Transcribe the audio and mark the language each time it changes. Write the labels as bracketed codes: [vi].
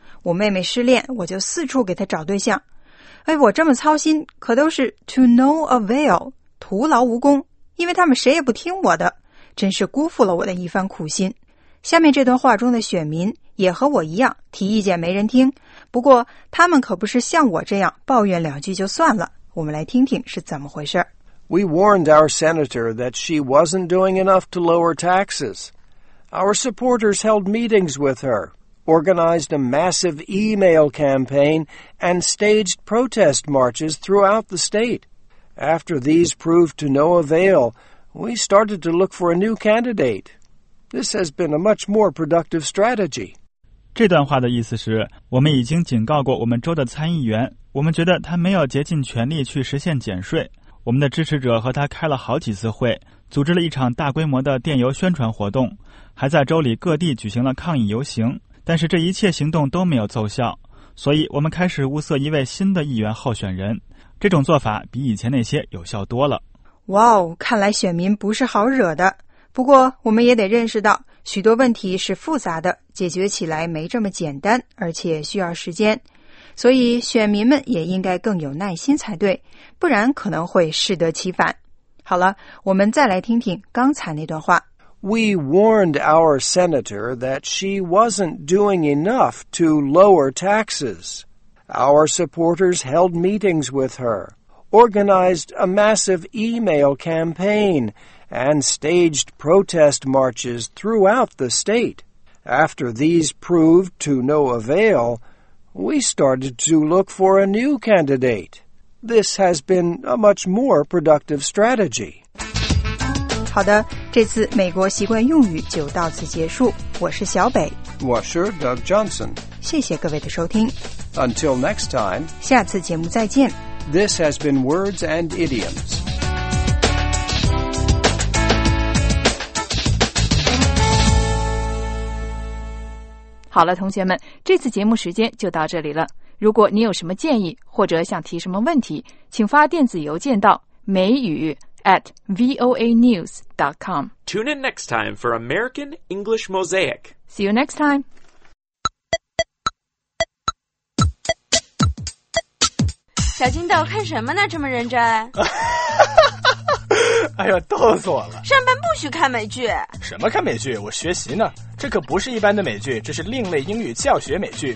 [zh] 我妹妹失恋，我就四处给她找对象。哎，我这么操心，可都是 [en] to no avail, [zh] 徒劳无功，因为他们谁也不听我的，真是辜负了我的一番苦心。下面这段话中的选民也和我一样，提意见没人听，不过他们可不是像我这样抱怨两句就算了，我们来听听是怎么回事。 [en] We warned our senator that she wasn't doing enough to lower taxes. Our supporters held meetings with her, organized a massive email campaign, and staged protest marches throughout the state. After these proved to no avail, we started to look for a new candidate. This has been a much more productive strategy. [zh] 这段话的意思是，我们已经警告过我们州的参议员，我们觉得他没有竭尽全力去实现减税。我们的支持者和他开了好几次会，组织了一场大规模的电邮宣传活动，还在州里各地举行了抗议游行，但是这一切行动都没有奏效，所以我们开始物色一位新的议员候选人。这种做法比以前那些有效多了。哇哦，看来选民不是好惹的。不过我们也得认识到，许多问题是复杂的，解决起来没这么简单，而且需要时间。所以选民们也应该更有耐心才对，不然可能会适得其反。好了，我们再来听听刚才那段话。 [en] We warned our senator that she wasn't doing enough to lower taxes. Our supporters held meetings with her, organized a massive email campaign, and staged protest marches throughout the state. After these proved to no avail, we started to look for a new candidate. This has been a much more productive strategy. [zh] 好的，这次美国习惯用语就到此结束。我是小北，我是 Doug Johnson。谢谢各位的收听。 [en] Until next time， [zh] 下次节目再见。 [en] This has been Words and Idioms。 [zh] 好了，同学们，这次节目时间就到这里了。如果你有什么建议或者想提什么问题，请发电子邮件到美语。 [en] @voanews.com. Tune in next time for American English Mosaic. See you next time. [zh] Little 金豆，看什么呢？这么认真？哎呦，逗死我了！上班不许看美剧。什么看美剧？我学习呢。这可不是一般的美剧，这是另类英语教学美剧。